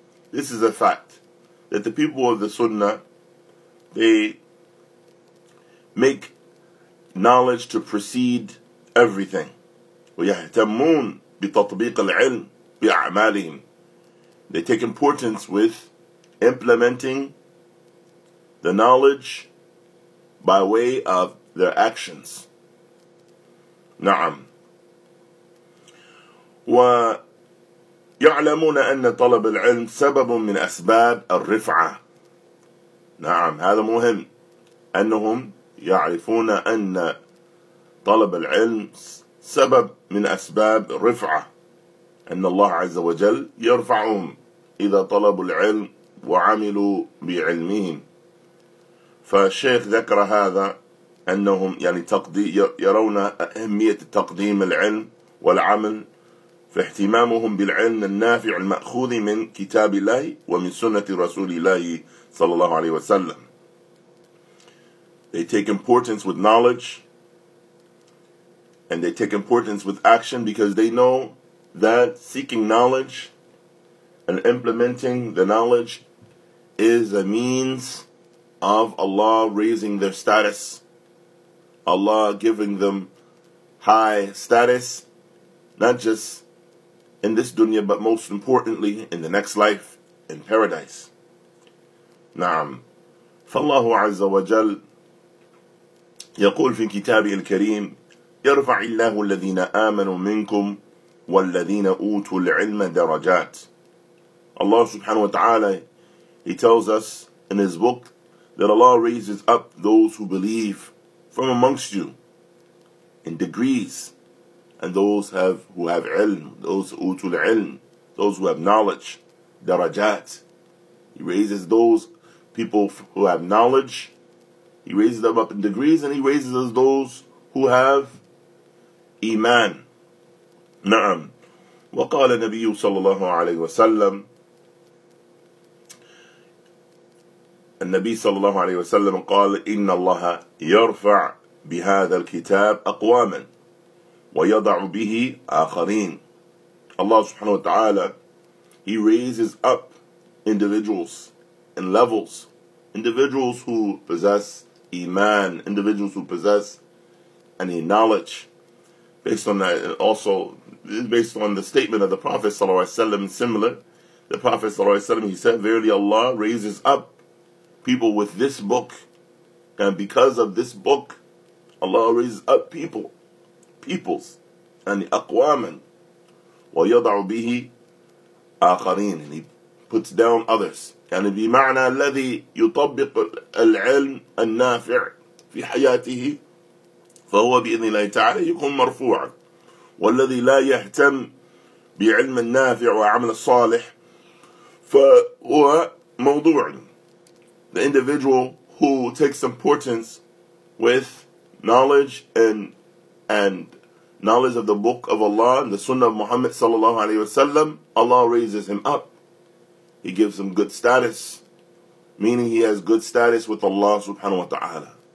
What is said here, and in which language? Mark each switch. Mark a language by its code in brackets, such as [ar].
[en] This is a fact that the people of the Sunnah, they make knowledge to precede everything. [ar] وَيَهْتَمُونَ بِتَطْبِيقَ الْعِلْمِ بِأَعْمَالِهِمْ. [en] They take importance with implementing the knowledge by way of their actions. [ar] نعم. ويعلمون أن طلب العلم سبب من أسباب الرفعة. نعم هذا مهم أنهم يعرفون أن طلب العلم سبب من أسباب الرفعة أن الله عز وجل يرفعهم إذا طلبوا العلم وعملوا بعلمهم. فالشيخ ذكر هذا أنهم يعني يرون أهمية تقديم العلم والعمل فاهتمامهم بالعلم النافع المأخوذ من كتاب الله ومن سنة رسول الله صلى الله عليه وسلم. [en] They take importance with knowledge and they take importance with action because they know that seeking knowledge and implementing the knowledge is a means of Allah raising their status, Allah giving them high status, not just in this dunya, but most importantly in the next life, in paradise. [ar] نعم. فالله عز وجل يقول في كتابه الكريم يرفع الله الذين آمنوا منكم والذين أوتوا العلم درجات. [en] Allah subhanahu wa ta'ala, He tells us in His book that Allah raises up those who believe from amongst you in degrees, and those who have ilm, those utul ilm, those who have knowledge, darajat. He raises those people who have knowledge, He raises them up in degrees, and He raises us those who have iman. [ar] نعم. وقال النبي صلى الله عليه وسلم النبي صلى الله عليه وسلم قال إن الله يرفع بهذا الكتاب أقواما ويضع به آخرين. [en] Allah subhanahu wa ta'ala, He raises up individuals and levels, individuals who possess iman, individuals who possess any knowledge, based on that, also based on the statement of the Prophet sallallahu alaihi wasallam. Similar, the Prophet sallallahu alaihi wasallam, He said, verily Allah raises up people with this book, and because of this book, Allah raises up peoples, and [ar] أقواماً ويضع به آخرين, [en] and He puts down others. [ar] كان بمعنى الذي يطبق العلم النافع في حياته فهو بإذن الله تعالى يكون مرفوعا, والذي لا يهتم بعلم النافع وعمل الصالح فهو موضوع. [en] The individual who takes importance with knowledge and knowledge of the book of Allah and the Sunnah of Muhammad sallallahu alaihi wasallam, Allah raises him up. He gives him good status, meaning he has good status with Allah subhanahu wa ta'ala.